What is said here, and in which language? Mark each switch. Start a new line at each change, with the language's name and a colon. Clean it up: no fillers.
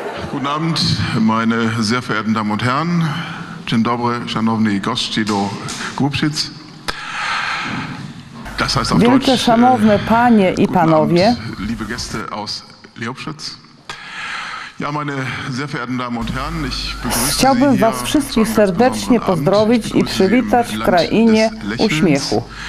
German: Guten Abend, meine sehr verehrten Damen und Herren.
Polish: Dzień dobry, szanowni goście do Grubschitz.
German: Das heißt auf Deutsch,
Polish: szanowne panie i panowie.
German: Abend, liebe Gäste aus Leobschitz. Ja, meine sehr verehrten Damen und Herren, ich begrüße Sie.
Polish: Chciałbym was wszystkich serdecznie pozdrowić i przywitać w krainie uśmiechu.